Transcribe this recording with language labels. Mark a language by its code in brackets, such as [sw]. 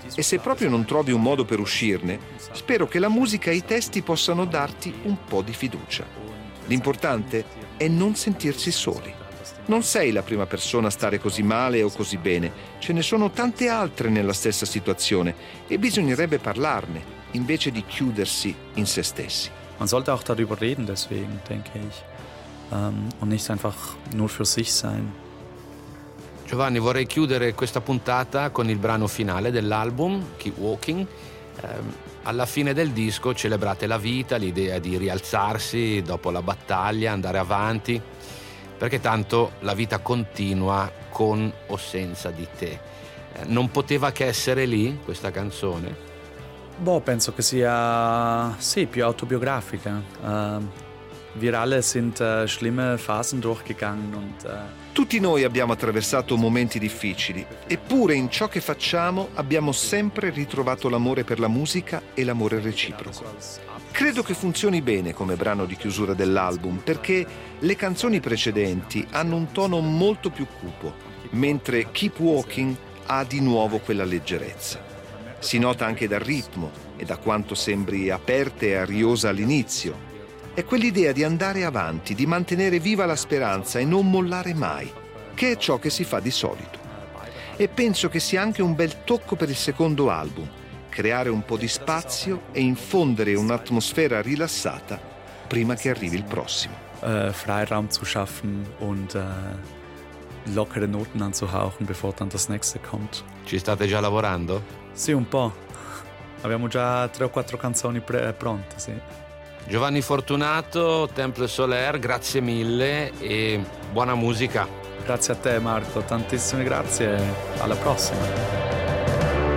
[it] E se proprio non trovi un modo per uscirne, spero che la musica e i testi possano darti un po' di fiducia. L'importante è non sentirsi soli. Non sei la prima persona a stare così male o così bene. Ce ne sono tante altre nella stessa situazione e bisognerebbe parlarne invece di chiudersi in se stessi. [de] Man sollte auch darüber reden, deswegen denke ich, und nicht einfach nur für sich sein. [it] Giovanni, vorrei chiudere questa puntata con il brano finale dell'album, Keep Walking, Alla fine del disco celebrate la vita, l'idea di rialzarsi dopo la battaglia, andare avanti, perché tanto la vita continua con o senza di te. Non poteva che essere lì questa canzone? Boh, penso che sia, sì, più autobiografica. [de] Wir alle sind schlimme Phasen durchgegangen und [it] tutti noi abbiamo attraversato momenti difficili, eppure in ciò che facciamo abbiamo sempre ritrovato l'amore per la musica e l'amore reciproco. Credo che funzioni bene come brano di chiusura dell'album, perché le canzoni precedenti hanno un tono molto più cupo, mentre Keep Walking ha di nuovo quella leggerezza. Si nota anche dal ritmo e da quanto sembri aperta e ariosa all'inizio. È quell'idea di andare avanti, di mantenere viva la speranza e non mollare mai, che è ciò che si fa di solito. E penso che sia anche un bel tocco per il secondo album, creare un po' di spazio e infondere un'atmosfera rilassata prima che arrivi il prossimo. [de] Freiraum zu schaffen und lockere Noten anzuhauchen, bevor dann das nächste kommt. [it] Ci state già lavorando? Sì, un po'. Abbiamo già 3 o 4 canzoni pronte, sì. Giovanni Fortunato, Temple Soler, grazie mille e buona musica. Grazie a te Marco, tantissime grazie, alla prossima.